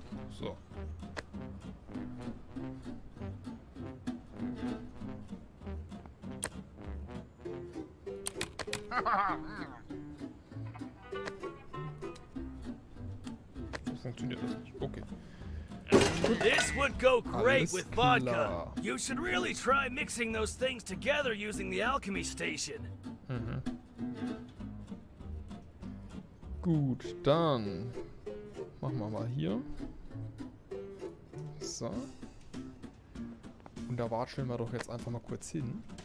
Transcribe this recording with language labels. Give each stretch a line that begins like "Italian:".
German: So. Funktioniert das nicht? Okay.
English: This would go great with vodka. You should really try mixing those things together using the alchemy station. Mhm.
German: Gut, dann machen wir mal hier. So. Und da watscheln wir doch jetzt einfach mal kurz hin.